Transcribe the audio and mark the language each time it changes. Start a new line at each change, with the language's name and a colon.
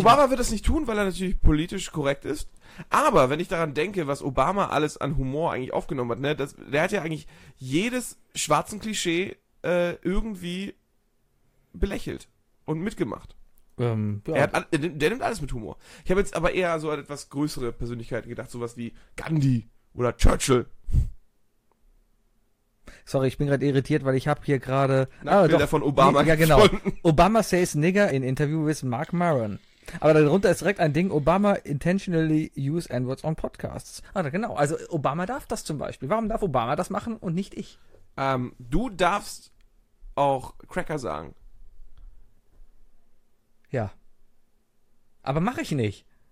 German: Obama wird das nicht tun, weil er natürlich politisch korrekt ist. Aber wenn ich daran denke, was Obama alles an Humor eigentlich aufgenommen hat, ne, der hat ja eigentlich jedes schwarzen Klischee irgendwie belächelt und mitgemacht. Der nimmt alles mit Humor. Ich habe jetzt aber eher so an etwas größere Persönlichkeiten gedacht, sowas wie Gandhi oder Churchill. Sorry, ich bin gerade irritiert, weil ich habe hier gerade Bilder von Obama genau.
English: Obama says nigger in interview with Mark Maron.
German: Aber darunter ist direkt ein Ding,
English: Obama intentionally use N-words on podcasts.
German: Genau, also Obama darf das zum Beispiel. Warum darf Obama das machen und nicht ich? Du darfst auch Cracker sagen. Ja. Aber mache ich nicht.